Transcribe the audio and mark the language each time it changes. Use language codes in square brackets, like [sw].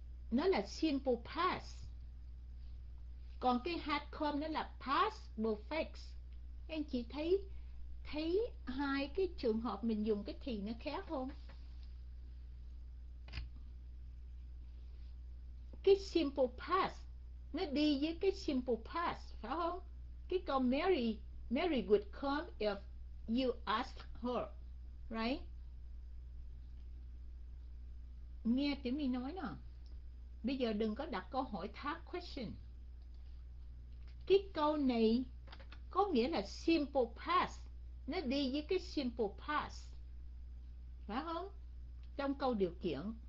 [vi] Nó là simple past. Còn cái had come nó là past perfect. Anh chị thấy thấy hai cái trường hợp mình dùng cái thì nó khác không? Cái simple past nó đi với cái simple past, phải không? Cái câu [en] Mary, Mary would come if you asked her, right? [vi] Nghe tiếng mình nói nè. Bây giờ đừng có đặt câu hỏi thắc question. Cái câu này có nghĩa là simple past, nó đi với cái simple past, phải không? Trong câu điều kiện.